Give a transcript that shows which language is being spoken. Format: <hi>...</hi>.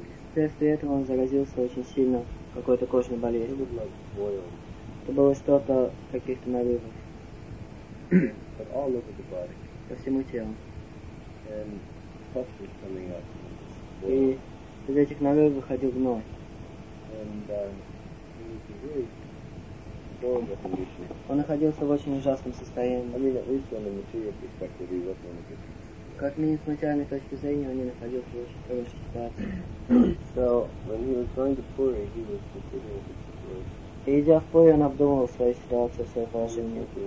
<ru>Вследствие этого он заразился очень сильно какой-то кожной болезнью. Это было что-то каких-то нарывов.</ru> <en>But all over the body.</en> <ru>По всему телу.</ru> <en>And pus was coming up.</en> <ru>И из этих нарывов выходил гной.</ru> <en>And he was in a very horrible condition.</en> <ru>Он находился в очень ужасном состоянии.</ru> <en>I mean, at least from the material perspective, he wasn't in a good condition.</en> <ru>Как минимум с материальной точки зрения, он не находился в очень хорошей ситуации.</ru> <en>So when he was going to Puri, he was considering the situation.</en> <ru>И идя в Пури, он обдумывал свою ситуацию, свое положение.</ru>